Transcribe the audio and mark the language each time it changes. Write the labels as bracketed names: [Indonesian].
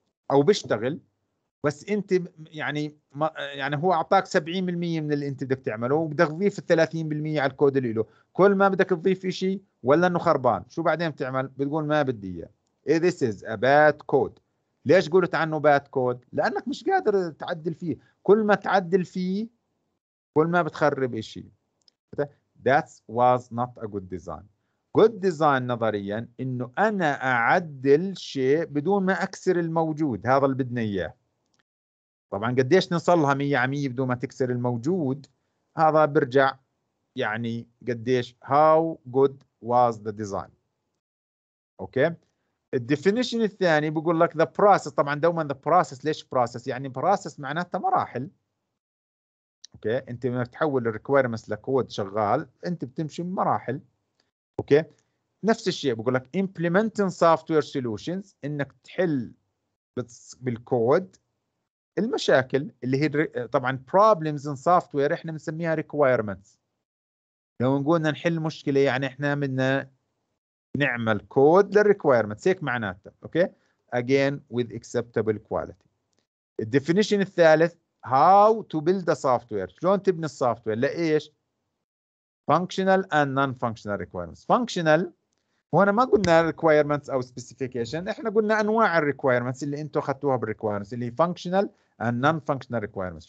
[Arabic] او بيشتغل بس انت يعني ما يعني هو اعطاك 70% من اللي انت بدك تعمله، وبدك تضيف 30% على الكود اللي له، كل ما بدك تضيف شيء ولا انه خربان شو بعدين بتعمل؟ بتقول ما بدي اياه. [English] This is a bad code. [Arabic] ليش قلت عنه [English] bad code؟ [Arabic] لأنك مش قادر تعدل فيه، كل ما تعدل فيه كل ما بتخرب إشي. [English] That was not a good design. Good design [Arabic] نظريا إنه أنا أعدل شيء بدون ما أكسر الموجود، هذا اللي بدنا إياه. طبعا قديش نصلها 100% بدون ما تكسر الموجود، هذا برجع يعني قديش [English] how good was the design. Okay. [Arabic] الديفينيشن الثاني بيقول لك [English] the process، [Arabic] طبعا دوما the process، ليش process؟ يعني process معناتها مراحل. اوكي، انت لما تحول الريكويرمنتس لكود شغال انت بتمشي بمراحل. اوكي، نفس الشيء بيقول لك [English] implementing software solutions، [Arabic] انك تحل بالكود المشاكل اللي هي طبعا [English] problems in software [Arabic] احنا بنسميها requirements. لو نقولنا نحل مشكله يعني احنا بدنا نعمل كود للريكويرمنتس، هيك معناتها. [English] Okay, again with acceptable quality. [Arabic] الديفينيشن الثالث [English] how to build a software، [Arabic] شلون تبني السوفتوير لايش؟ [English] functional and non functional requirements. [Arabic] functional هنا ما قلنا requirements او specification، احنا قلنا انواع الريكويرمنتس اللي انتم اخذتوها بالريكويرمنتس اللي [English] functional and non functional requirements.